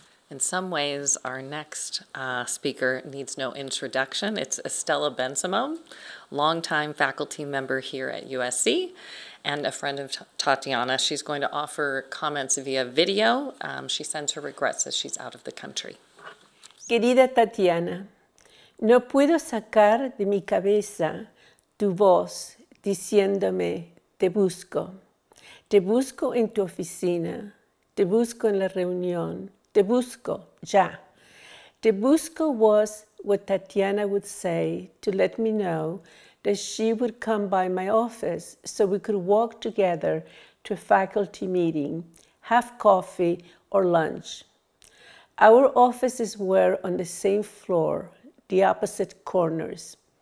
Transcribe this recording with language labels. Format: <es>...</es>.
<en>In some ways, our next speaker needs no introduction. It's Estella Bensimo, longtime faculty member here at USC and a friend of Tatiana. She's going to offer comments via video. She sends her regrets as she's out of the country.</en> <es>Querida Tatiana, no puedo sacar de mi cabeza tu voz diciéndome te busco. Te busco en tu oficina, te busco en la reunión. Te busco, ya. Te busco</es> <en>was what Tatiana would say to let me know that she would come by my office so we could walk together to a faculty meeting, have coffee or lunch. Our offices were on the same floor, the opposite corners.</en>